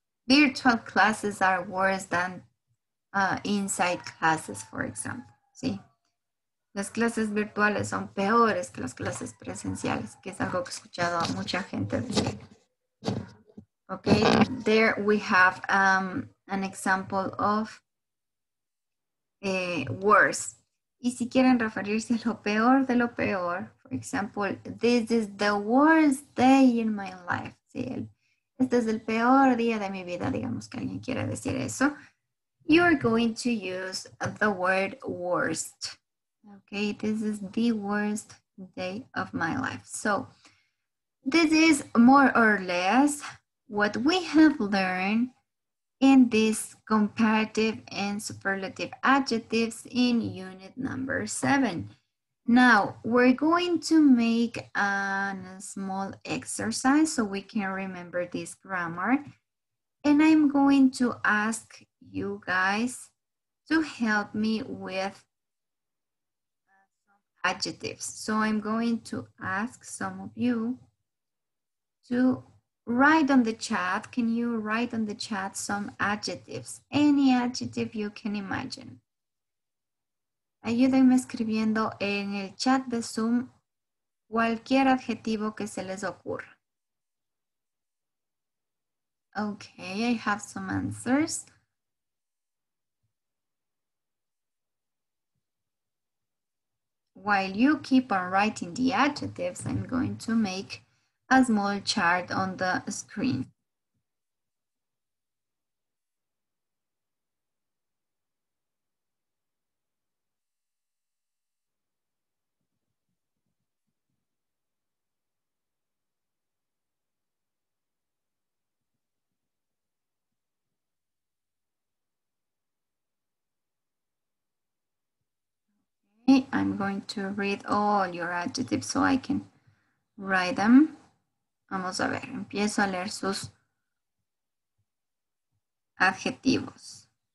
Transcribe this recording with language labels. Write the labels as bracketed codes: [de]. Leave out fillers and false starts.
[en] Virtual classes are worse than inside classes, for example. [es] Sí. Las clases virtuales son peores que las clases presenciales, que es algo que he escuchado a mucha gente decir. [en] Okay, there we have an example of worse. [es] Y si quieren referirse a lo peor de lo peor, [en] for example, this is the worst day in my life. [es] Sí, este es el peor día de mi vida, digamos que alguien quiere decir eso. [en] You are going to use the word worst. Okay, this is the worst day of my life. So, this is more or less what we have learned in this comparative and superlative adjectives in unit number 7. Now, we're going to make a small exercise so we can remember this grammar. And I'm going to ask you guys to help me with some adjectives. So I'm going to ask some of you to write on the chat. Can you write on the chat some adjectives? Any adjective you can imagine. [es] Ayúdenme escribiendo en el chat de Zoom cualquier adjetivo que se les ocurra. [en] Okay, I have some answers. While you keep on writing the adjectives, I'm going to make a small chart on the screen. I'm going to read all your adjectives so I can write them. [es] Vamos a ver, empiezo a leer sus adjetivos.